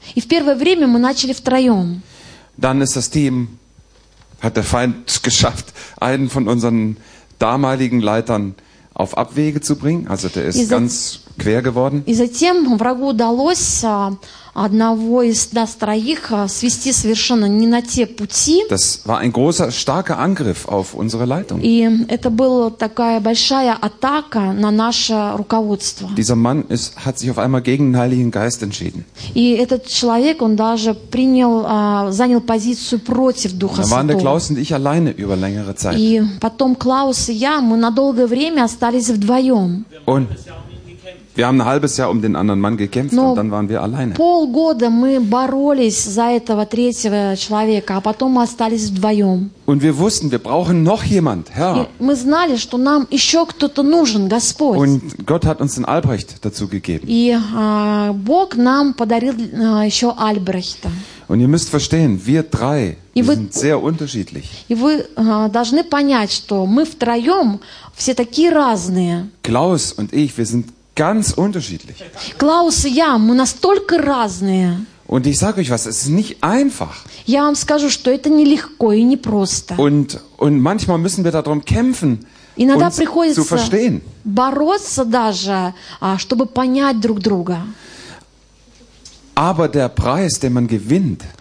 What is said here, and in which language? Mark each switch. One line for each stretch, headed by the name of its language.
Russian: И в первое время мы начали втроем.
German: Dann ist das Team hat der Feind geschafft, einen von unseren damaligen Leitern auf Abwege zu bringen. Also der ist ganz quer geworden.
Russian: И затем врагу удалось одного из нас троих свести совершенно не на те пути.
German: Das war ein großer, starker Angriff auf unsere Leitung.
Russian: И это была такая большая атака на наше руководство.
German: Dieser Mann hat sich auf einmal gegen den Heiligen Geist entschieden.
Russian: И этот человек, он даже занял позицию против Духа Святого.
German: Da waren der Klaus und ich alleine über längere Zeit.
Russian: И потом Клаус и я, мы на долгое время остались вдвоем.
German: Und wir haben ein halbes Jahr um den anderen Mann gekämpft und dann waren wir alleine.
Russian: Полгода мы боролись за этого третьего человека, а потом мы остались вдвоем.
German: Und wir wussten, wir brauchen noch jemand, Herr.
Russian: Мы знали, что нам еще кто-то нужен, Господь.
German: Und Gott hat uns den Albrecht dazu gegeben.
Russian: И Бог нам подарил еще Альбрехта.
German: Und ihr müsst verstehen, wir drei, wir sind sehr unterschiedlich.
Russian: И вы должны понять, что мы втроем все такие разные.
German: Klaus und ich, wir sind ganz unterschiedlich. Klaus und ich, wir sind so verschieden. Und ich sage euch was, es ist nicht einfach.
Russian: Я вам скажу, что это не легко и не просто.
German: Und manchmal müssen wir darum kämpfen,
Russian: иногда
German: uns
Russian: приходится
German: zu verstehen.
Russian: Бороться даже, чтобы понять друг друга.
German: Aber der Preis, den man gewinnt.